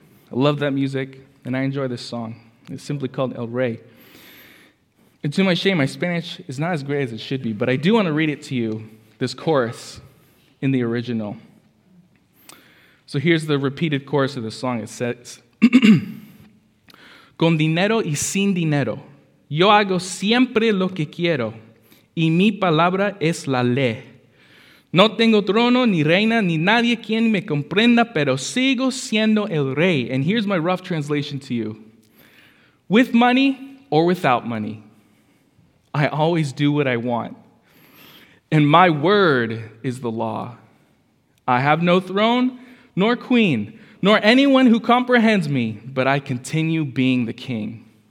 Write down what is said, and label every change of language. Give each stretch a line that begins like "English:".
English: I love that music, and I enjoy this song. It's simply called El Rey. And to my shame, my Spanish is not as great as it should be, but I do want to read it to you, this chorus, in the original. So here's the repeated chorus of the song. It says,
Spanish: Con dinero y sin dinero, yo hago siempre lo que quiero, y mi palabra es la ley. No tengo trono, ni reina, ni nadie quien me comprenda, pero sigo siendo el rey.
English: And here's my rough translation to you. With money or without money, I always do what I want. And my word is the law. I have no throne, nor queen, nor anyone who comprehends me, but I continue being the king.